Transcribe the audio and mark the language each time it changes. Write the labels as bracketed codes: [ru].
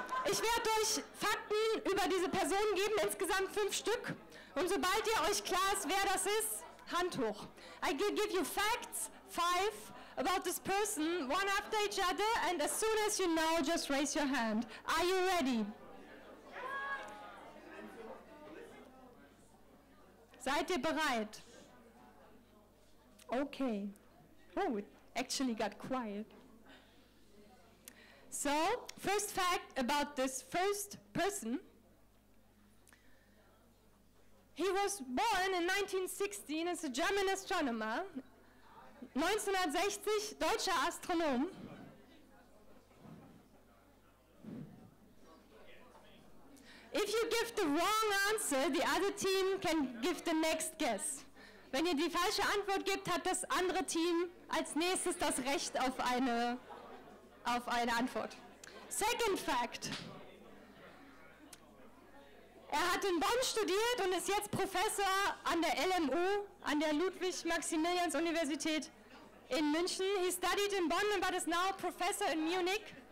[de] Ich werde euch Fakten über diese Person geben, insgesamt 5 Stück. Und sobald ihr euch klar ist, wer das ist, Hand hoch. [en] I will give you facts, 5, about this person, one after each other, and as soon as you know, just raise your hand. Are you ready? [de] Seid ihr bereit? [en] Okay. Oh, it actually got quiet. So, first fact about this first person. He was born in 1916 as a German astronomer. [de] 1960, deutscher Astronom. [en] If you give the wrong answer, the other team can give the next guess. [de] Wenn ihr die falsche Antwort gibt, hat das andere Team als nächstes das Recht auf eine Antwort. [en] Second fact. [de] Er hat in Bonn studiert und ist jetzt Professor an der LMU, an der Ludwig-Maximilians-Universität in München. [en] He studied in Bonn and but is now professor in Munich.